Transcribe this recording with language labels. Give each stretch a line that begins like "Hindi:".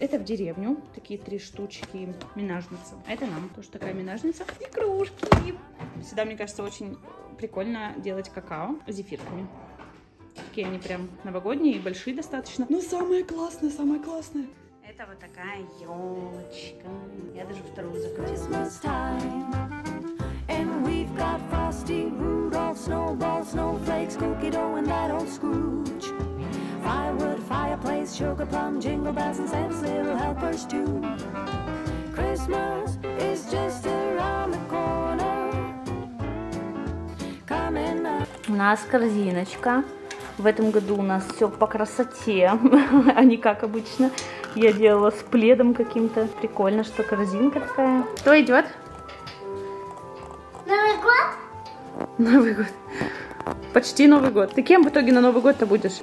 Russian: Это в деревню. Такие 3 штучки. Минажница. А это нам. Тоже такая минажница. Игрушки. Всегда, мне кажется, очень прикольно делать какао зефирками. Такие они прям новогодние и большие достаточно. Но самое классное. Это вот такая елочка. Я даже вторую закрутила.
English: And we've got Frosty, Rudolph, Snowball, Snowflakes, Cookie Dough, and that old Scrooge. Firewood, fireplace, sugar plum, jingle bells, and Santa's little helpers too. Christmas is just around the corner. Coming up.
Russian: У нас корзиночка. В этом году у нас все по красоте, а не как обычно. Я делала с пледом каким-то. Прикольно, что корзинка такая. Кто идет? Новый год. Почти Новый год. Ты кем в итоге на Новый год-то будешь?